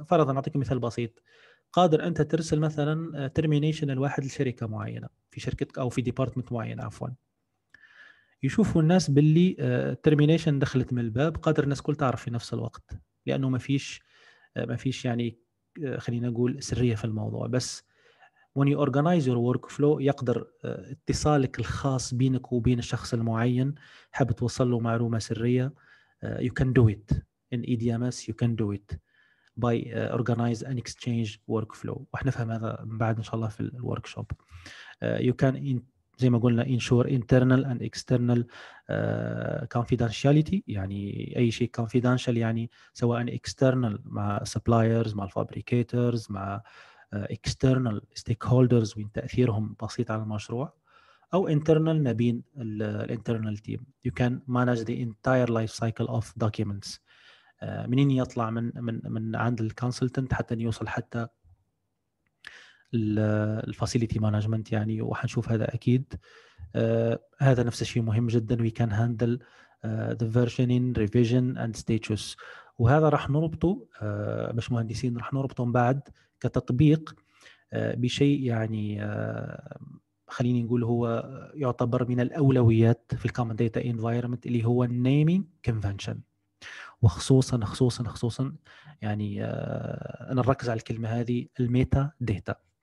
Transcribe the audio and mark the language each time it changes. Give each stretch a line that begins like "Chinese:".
Arabic: فرضا اعطيك مثال بسيط، قادر انت ترسل مثلا ترمينيشن لواحد لشركه معينه في شركتك او في ديبارتمنت معين عفوا، يشوفوا الناس باللي ترمينيشن دخلت من الباب، قادر الناس كل تعرف في نفس الوقت، لانه ما فيش يعني خلينا نقول سريه في الموضوع.
English: بس when you organize your workflow
Arabic: يقدر اتصالك الخاص بينك وبين الشخص المعين حاب توصل له معلومة سرية،
English: you can do it in EDMS, you can do it by organize and exchange workflow.
Arabic: وحنفهم هذا بعد إن شاء الله في ال workshop.
English: You can
Arabic: زي ما قلنا
English: ensure internal and external confidentiality،
Arabic: يعني أي شيء confidential، يعني سواء external مع suppliers مع fabricators مع external stakeholders وين تأثيرهم بسيط على المشروع، أو internal ما بين الـ internal team.
English: You can manage the entire life cycle of documents
Arabic: منين يطلع من من من عند الـ consultant حتى يوصل حتى الـ facility management، يعني وحنشوف هذا أكيد. هذا نفس الشيء مهم جدا،
English: we can handle the versioning, revision and status.
Arabic: وهذا راح نربطه باش مهندسين، راح نربطهم بعد كتطبيق بشيء يعني خليني نقول هو يعتبر من الأولويات في الكومن داتا انفايرمنت، اللي هو النيمينج كونفنشن، وخصوصا خصوصا خصوصا يعني انا نركز على الكلمة هذه الميتا داتا.